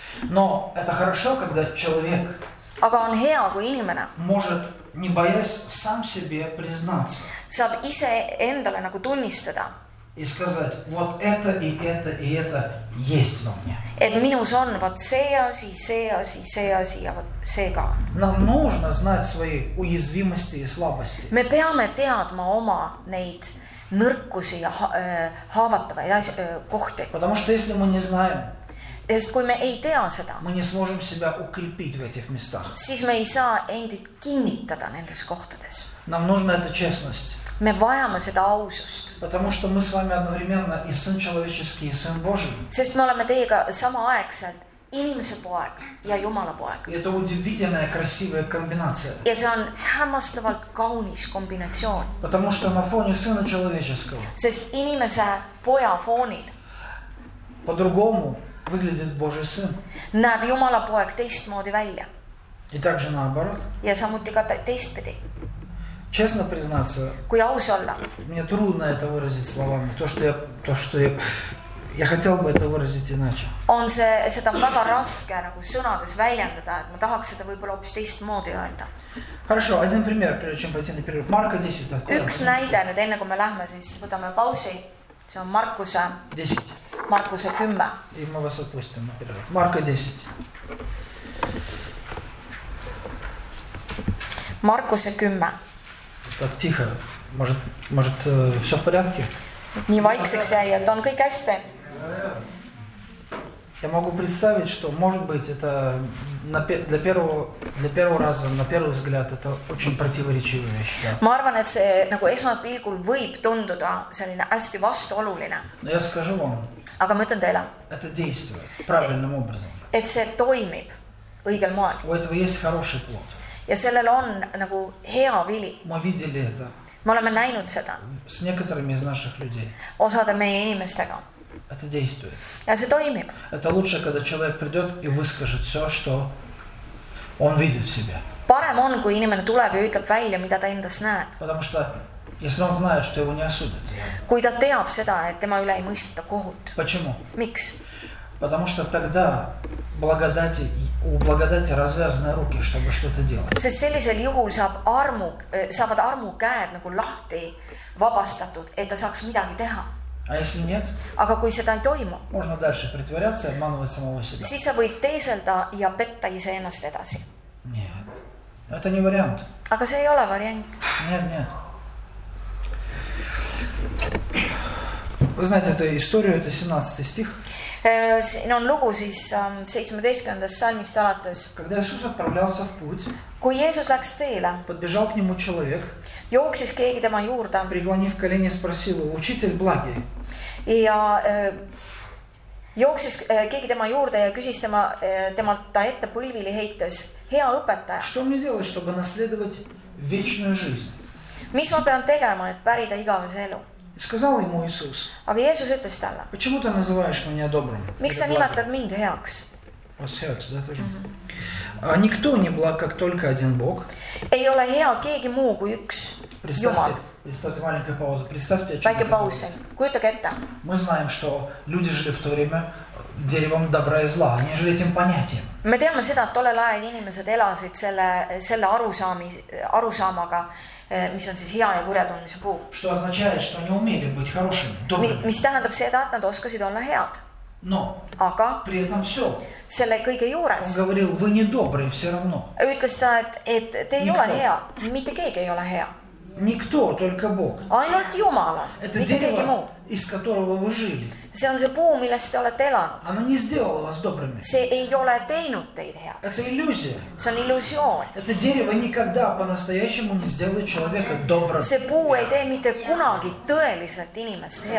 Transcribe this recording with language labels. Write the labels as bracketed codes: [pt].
[ru] Но это хорошо, когда человек [et] aga on hea, kui inimene [ru] может, не боясь, сам себе признаться. [et] Saab ise endale nagu tunnistada. [ru] И сказать, вот это и это и это есть во мне. [et] Et minus on вот see asi, see asi, see asi ja вот see ka. [ru] Нам нужно знать свои уязвимости и слабости. [et] Me peame teadma oma neid nõrkusi ja haavatavaid kohti. [ru] Потому что если мы не знаем, [et] Sest kui me ei tea seda. [ru] Мы не сможем себя укрепить в этих местах. [et] Siis me ei saa endid kinnitada nendes kohtades. [ru] Нам нужна эта честность. [et] Me vajame seda ausust. [ru] Потому что мы с вами одновременно и сын человеческий, и сын Божий. [et] Sest me oleme teiega sama aegselt inimese poeg ja Jumala poeg. [ru] И это удивительная красивая комбинация. [et] Ja see on hämmastavalt kaunis kombinatsioon. [ru] Потому что на фоне сына человеческого. [et] Sest inimese poja foonil. [ru] По-другому выглядит Божий сын. [et] Näeb Jumala poeg teistmoodi välja. [ru] И также наоборот. [et] Ja samuti ka teistpidi. [ru] Честно признаться. [et] Kui aus olla. [ru] Мне трудно это выразить словами, то, что я хотел бы это выразить иначе. [et] On see seda väga raske nagu sõnades väljendada, et ma tahaks seda võib-olla hoopis teistmoodi öelda. [ru] Хорошо, один пример, прежде чем пойти на перерыв. Марка 10. [et] Üks näide, nüüd enne kui me lähme, siis võtame pausi. See on Markuse 10. Markuse 10. [ru] И мы вас отпустим на перерыв. Марка 10. [et] Markuse 10. [ru] Так тихо. Может, все в порядке? Не вайксик сяй, это он как эсте. Я могу представить, что, может быть, это для первого раза, на первый взгляд, это очень противоречивая вещь. [et] Ma arvan, et see nagu esmapilgul võib tunduda selline hästi vastuoluline. [ru] Но я скажу вам. [et] Aga ma ütlen teile. [ru] Это действует правильным образом. [et] Et see toimib õigel moel. [ru] У этого есть хороший плод. [et] Ja sellel on nagu hea vili. Ma videli seda. Me oleme näinud seda. [ru] С некоторыми из наших людей. [et] Osade meie inimestega. [ru] Это действует. [et] Ja see toimib. [ru] Это лучше, когда человек придет и выскажет все, что он видит в себе. [et] Parem on, kui inimene tuleb ja ütleb välja, mida ta endas näeb. [ru] Потому что, если он знает, что его не осудят. [et] Kui ta teab seda, et tema üle ei mõisteta kohut. [ru] Почему? [et] Miks? [ru] Потому что тогда благодати, у благодати развязаны руки, чтобы что-то делать. [et] Sest sellisel juhul saavad armu käed nagu lahti vabastatud, et ta saaks midagi teha. [ru] А если нет? [et] Aga kui seda ei toimu. [ru] Можно дальше притворяться и обманывать самого себя. [et] Siis sa võid teiselda ja petta ise ennast edasi. [ru] Нет. Это не вариант. [et] Aga see ei ole variant. [ru] Нет. Вы знаете эту историю, это 17 стих. [et] Siin on lugu siis 17. Salmist alates. [ru] Когда Иисус отправлялся в путь. [et] Kui Jeesus läks teele. [ru] Подбежал к нему человек. [et] Jooksis keegi tema juurde. [ru] Преклонив колени, спросил его: "Учитель благий". [et] Ja jooksis keegi tema juurde ja küsis temalt ta ette põlvili heites: "Hea õpetaja, [ru] что мне делать, чтобы наследовать вечную жизнь?" [et] Mis ma pean tegema, et pärida igavese elu? [ru] Сказал ему Иисус. [et] Aga Jeesus ütles talle. [ru] Почему ты называешь меня добрым? [et] Miks sa nimetad mind heaks? [ru] Вас heaks, да, тоже. А никто не благ, как только один Бог. [et] Ei ole hea keegi muu kui üks. [ru] Представьте маленькую паузу. Представьте, о чём [et] паузу. Kujutage ette. [ru] Мы знаем, что люди жили в то время деревом добра и зла, они жили этим понятием. [et] Me teame seda, et tolle ajal inimesed elasid selle arusaamaga. Mis on siis hea ja kurja tundmise puu. [ru] Что означает, что они умели быть хорошими, добрыми. [et] Mis tähendab seda, et nad oskasid olla head. [ru] Но. [et] Aga. [ru] При этом все. [et] Selle kõige juures. [ru] Он говорил, вы не добрые все равно. [et] Ütles ta, et te ei ole hea. Mitte keegi ei ole hea. [ru] Никто, только Бог. [et] Ainult Jumala. [ru] Это дерево, из которого вы жили. [et] See on see puu, millest te olete elanud. [ru] Оно не сделало вас добрыми. [et] See ei ole teinud teid hea. [ru] Это иллюзия. [et] See on иллюзион. [ru] Это дерево никогда по-настоящему не сделает человека добрым. [et] See puu ei tee mitte kunagi tõeliselt inimest hea.